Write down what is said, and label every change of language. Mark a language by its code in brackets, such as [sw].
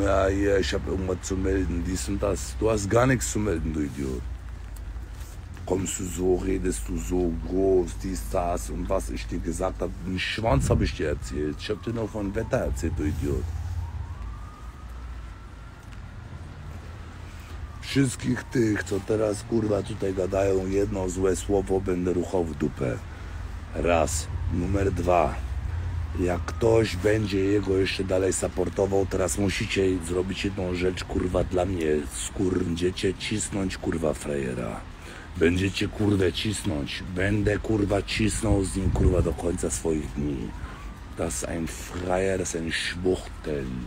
[de] Ja, hier, ich habe irgendwas zu melden. Dies und das. Du hast gar nichts zu melden, du Idiot. Kommst du so, redest du so groß, dies, das und was ich dir gesagt habe. Einen Schwanz habe ich dir erzählt. Ich habe dir nur von Wetter erzählt, du Idiot. [pl] Wszystkich tych, co teraz kurwa tutaj gadają, jedno złe słowo będę ruchał w dupę. Raz. Numer dwa. Jak ktoś będzie jego jeszcze dalej supportował, teraz musicie zrobić jedną rzecz, kurwa, dla mnie. Skurdziecie cisnąć, kurwa, frajera. Będziecie, kurwa, cisnąć. Będę, kurwa, cisnął z nim, kurwa, do końca swoich dni. [de] Das ist ein Freier, das ist ein Schwuchtel.